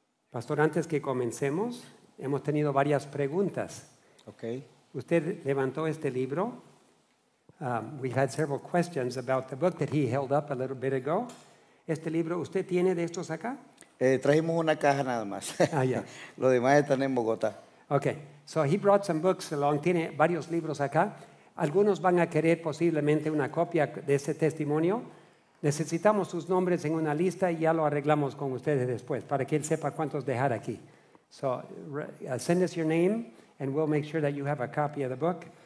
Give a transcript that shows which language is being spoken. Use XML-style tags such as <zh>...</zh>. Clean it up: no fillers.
<es>Pastor, antes que comencemos, hemos tenido varias preguntas.</es> <en>Okay.</en> <es>Usted levantó este libro.</es> <en>We had several questions about the book that he held up a little bit ago.</en> <es>Este libro, ¿usted tiene de estos acá? Trajimos una caja nada más.</es> <en>Ah, yeah.</en> <es>Lo demás están en Bogotá.</es> <en>Okay. So he brought some books along.</en> <es>Tiene varios libros acá. Algunos van a querer posiblemente una copia de ese testimonio. Necesitamos sus nombres en una lista y ya lo arreglamos con ustedes después para que él sepa cuántos dejar aquí.</es> <en>So send us your name and we'll make sure that you have a copy of the book.</en>